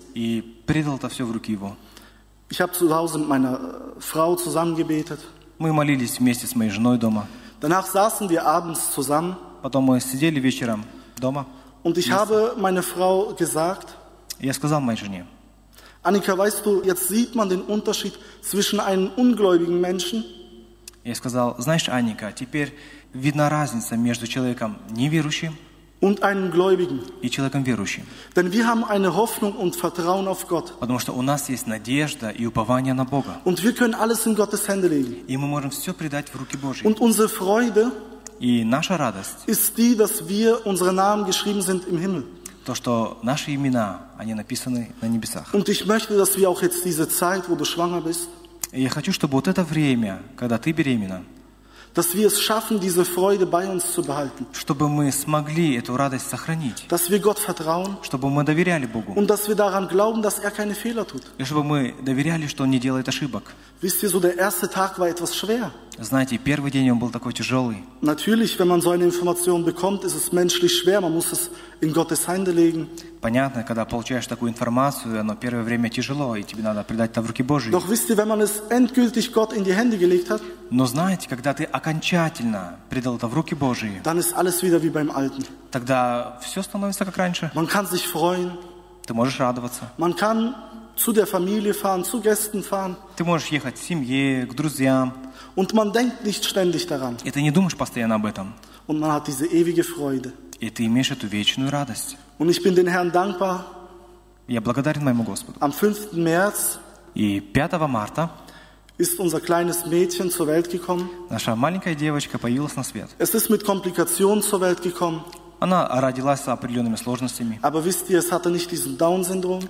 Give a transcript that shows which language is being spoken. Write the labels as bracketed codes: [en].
[ru] И предал это все в руки его. [de] Ich hab zu Hause mit meiner Frau zusammen gebetet. [ru] Мы молились вместе с моей женой дома. [de] Danach saßen wir abends zusammen. [ru] Потом мы сидели вечером дома. [de] Und ich habe meine Frau gesagt, [ru] я сказал моей жене, [de] Annika, weißt du, jetzt sieht man den Unterschied zwischen einem ungläubigen Menschen. [ru] Я сказал, знаешь, Анника, теперь видна разница между человеком неверующим [de] und einem Gläubigen. [ru] И человеком верующим. [de] Denn wir haben eine Hoffnung und Vertrauen auf Gott. [ru] Потому что у нас есть надежда и упование на Бога. [de] Und wir können alles in Gottes Hände legen. [ru] И мы можем все предать в руки Божьи. [de] Und unsere Freude [ru] и наша радость [de] ist die, dass wir unsere Namen geschrieben sind im Himmel. [ru] То, что наши имена, они написаны на небесах. [de] Und ich möchte, dass wir auch jetzt diese Zeit, wo du schwanger bist, [ru] я хочу, чтобы вот это время, когда ты беременна, [de] dass wir es schaffen, diese Freude bei uns zu behalten, [ru] чтобы мы смогли эту радость сохранить, [de] dass wir Gott vertrauen, [ru] чтобы мы доверяли Богу, [de] und dass wir daran glauben, dass er keine Fehler tut, [ru] и чтобы мы доверяли, что он не делает ошибок. [de] Wisst ihr, so der erste Tag war etwas schwer. [ru] Знаете, первый день он был такой тяжелый. [de] Natürlich, wenn man so eine Information bekommt, ist es menschlich schwer. Man muss es in Gottes Hände legen. [ru] Понятно, когда получаешь такую информацию, оно первое время тяжело, и тебе надо предать это в руки Божьи. [de] Doch wisst ihr, wenn man es endgültig Gott in die Hände gelegt hat, [ru] но знаете, когда ты окончательно предал это в руки Божьи, [de] dann ist alles wieder wie beim Alten. [ru] Тогда все становится как раньше. [de] Man kann sich freuen. [ru] Ты можешь радоваться. [de] Man kann zu der Familie fahren, zu Gästen fahren. [ru] Ты можешь ехать в семье, к друзьям. [de] Und man denkt nicht ständig daran. [ru] И ты не думаешь постоянно об этом. [de] Und man hat diese ewige Freude. [ru] И ты имеешь эту вечную радость. [de] Und ich bin den Herrn dankbar. [ru] Я благодарен моему Господу. [de] Am 5. März. [ru] И 5 марта. [de] Ist unser kleines Mädchen zur Welt gekommen. [ru] Наша маленькая девочка появилась на свет. [de] Es ist mit Komplikationen zur Welt gekommen. [ru] Она родилась с определенными сложностями. [de] Aber wisst ihr, es hatte nicht diesen Down-Syndrom.